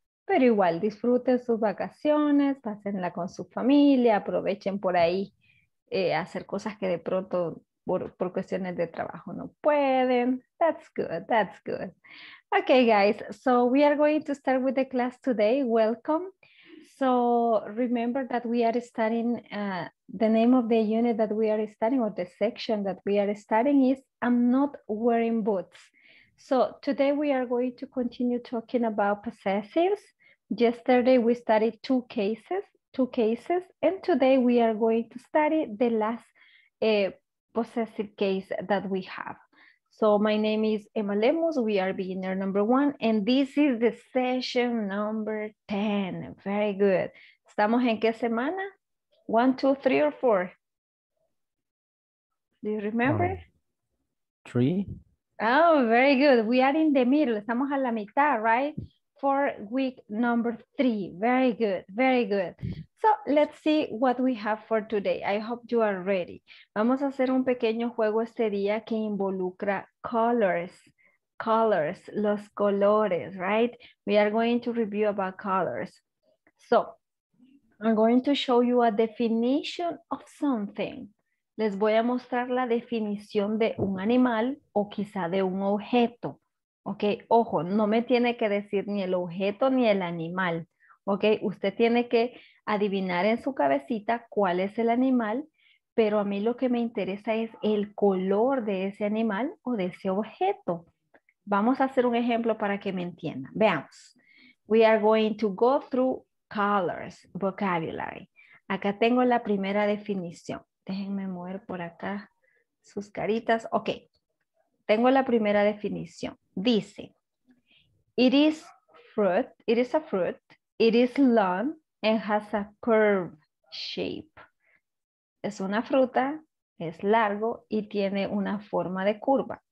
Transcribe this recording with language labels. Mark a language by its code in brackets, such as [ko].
[es] Pero igual, disfruten sus vacaciones, pásenla con su familia, aprovechen por ahí hacer cosas que de pronto por cuestiones de trabajo no pueden. [en] That's good, that's good. Okay, guys. So we are going to start with the class today. Welcome. So remember that we are studying, the name of the unit that we are studying or the section that we are studying is I'm not wearing boots. So today we are going to continue talking about possessives. Yesterday we studied two cases, and today we are going to study the last possessive case that we have. So my name is Emma Lemus. We are beginner number one. And this is the session number 10. Very good. [es] ¿Estamos en qué semana? [en] One, two, three, or four? Do you remember? Three. Oh, very good. We are in the middle. [es] Estamos a la mitad, [en] right? For week number three. Very good. Very good. So let's see what we have for today. I hope you are ready. [es] Vamos a hacer un pequeño juego este día que involucra colors. [en] Colors, [es] los colores, [en] right? We are going to review about colors. So I'm going to show you a definition of something. [es] Les voy a mostrar la definición de un animal o quizá de un objeto. Ok, ojo, no me tiene que decir ni el objeto ni el animal. Ok, usted tiene que adivinar en su cabecita cuál es el animal, pero a mí lo que me interesa es el color de ese animal o de ese objeto. Vamos a hacer un ejemplo para que me entiendan. [en] Veamos. We are going to go through colors, vocabulary. [es] Acá tengo la primera definición. Déjenme mover por acá sus caritas. Ok, tengo la primera definición. Dice, [en] it is a fruit. It is long and has a curved shape. [es] Es una fruta, es largo y tiene una forma de curva.